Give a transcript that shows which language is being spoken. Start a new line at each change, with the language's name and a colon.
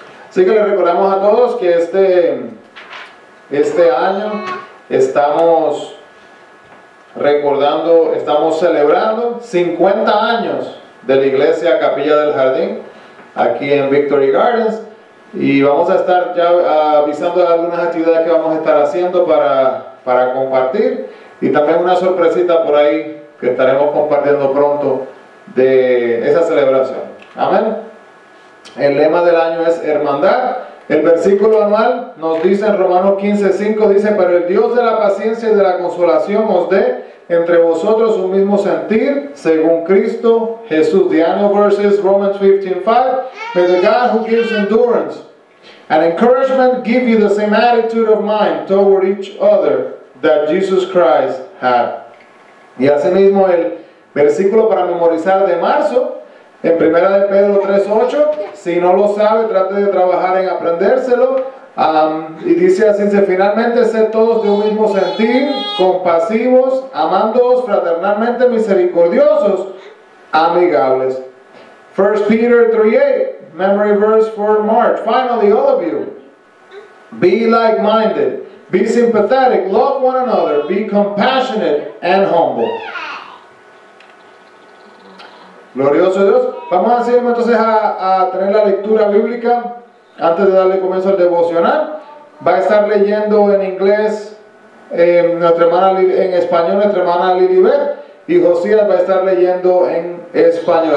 Spanish: Así que le recordamos a todos que este año estamos recordando, estamos celebrando 50 años de la Iglesia Capilla del Jardín aquí en Victory Gardens, y vamos a estar ya avisando algunas actividades que vamos a estar haciendo para compartir, y también una sorpresita por ahí que estaremos compartiendo pronto de esa celebración. Amén. El lema del año es hermandad. El versículo anual nos dice en Romanos 15:5, dice: pero el Dios de la paciencia y de la consolación os dé entre vosotros un mismo sentir según Cristo Jesús.
English: The annual verse is Romans 15:5. May the God who gives endurance and encouragement give you the same attitude of mind toward each other that Jesus Christ had.
Spanish: Y asimismo el versículo para memorizar de marzo, en 1 Pedro 3:8, si no lo sabe, trate de trabajar en aprendérselo. Y dice así: finalmente, sed todos de un mismo sentir, compasivos, amándoos fraternalmente, misericordiosos, amigables.
English: 1 Peter 3:8, memory verse for March. Finally, all of you, be like-minded, be sympathetic, love one another, be compassionate and humble.
Spanish: Glorioso Dios. Vamos a seguir entonces a tener la lectura bíblica antes de darle comienzo al devocional. Va a estar leyendo en inglés nuestra hermana en español, nuestra hermana Lilibet, y Josías va a estar leyendo en español.